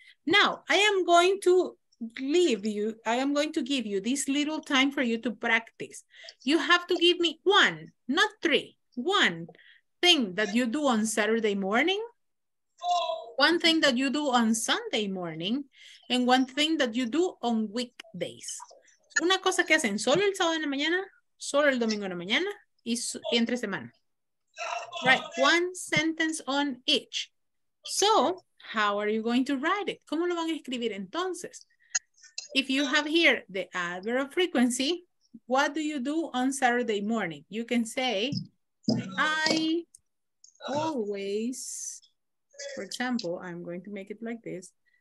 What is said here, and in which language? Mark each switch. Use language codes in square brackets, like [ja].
[en] Now, I am going to give you this little time for you to practice. You have to give me one, not three, one thing that you do on Saturday morning, one thing that you do on Sunday morning, and one thing that you do on weekdays. [es] Una cosa que hacen solo el sábado en la mañana, solo el domingo en la mañana, y entre semana. [en] Right, one sentence on each. So, how are you going to write it? [es] ¿Cómo lo van a escribir entonces? [en] If you have here the adverb of frequency, what do you do on Saturday morning? You can say, I always, for example, I'm going to make it like this.